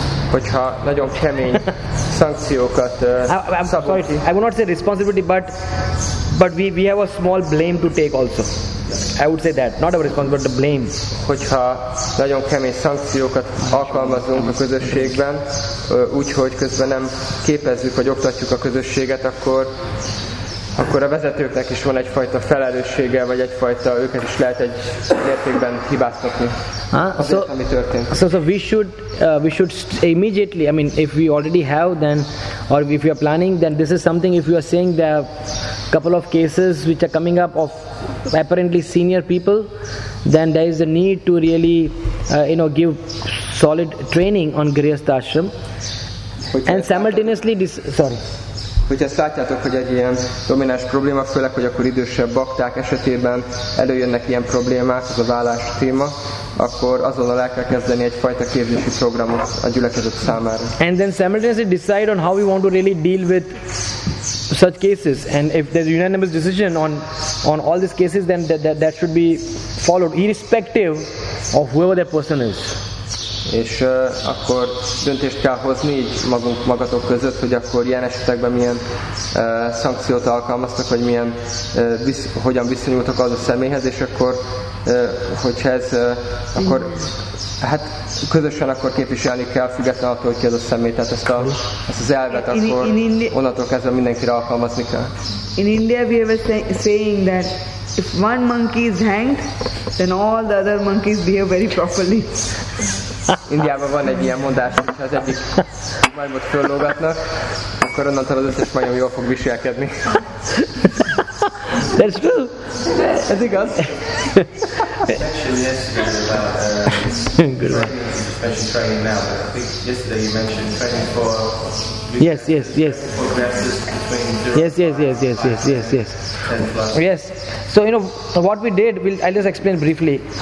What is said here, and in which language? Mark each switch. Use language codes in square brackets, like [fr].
[hu] Hogyha nagyon kemény szankciókat [en] I would not say responsibility, but we have a small blame to take also. I would say that, not our responsibility, but the blame. [hu] Hogyha nagyon kemény szankciókat alkalmazunk a közösségben, úgyhogy közben nem képezzük vagy oktatjuk a közösséget, akkor a vezetőknek is van egyfajta felelőssége, vagy egyfajta, őket is lehet egy mértékben hibáztatni. Ami történt. [en] So we should immediately, I mean, if we already have, then, or if we are planning, then this is something, if you are saying there are couple of cases which are coming up of apparently senior people, then there is a need to really give solid training on Grihastha Ashram. And simultaneously, [hu] hogyha ezt látjátok, hogy egy ilyen domináns probléma, főleg, hogy akkor idősebb bakták esetében előjönnek ilyen problémák, ez a válás téma, akkor azonnal el kell kezdeni egyfajta képzési programot a gyülekezet számára. [en] And then simultaneously decide on how we want to really deal with such cases. And if there's unanimous decision on all these cases, then that should be followed, irrespective of whoever that person is. [hu] És akkor döntést kell hozni így magatok között, hogy akkor ilyen esetekben milyen szankciót alkalmaztak, vagy milyen hogyan viszonyultak az a személyhez, és akkor közösen akkor képviselni kell, függetlenül attól, hogy ki az a személy, tehát ezt az elvet akkor onnantól kezdve mindenkire alkalmazni kell. [en] In India we have a saying that if one monkey is hanged, then all the other monkeys behave very properly. [hu] Indiában van egy ilyen mondás, hogy ha az egyik majmot föllógatnak, akkor onnantól az összes majom jól fog viselkedni. [en] That's true. [hu] Ez igaz. [en] Actually, yesterday was about special training now, but I think yesterday you mentioned training for... Yes. So, what we did, I'll just explain briefly.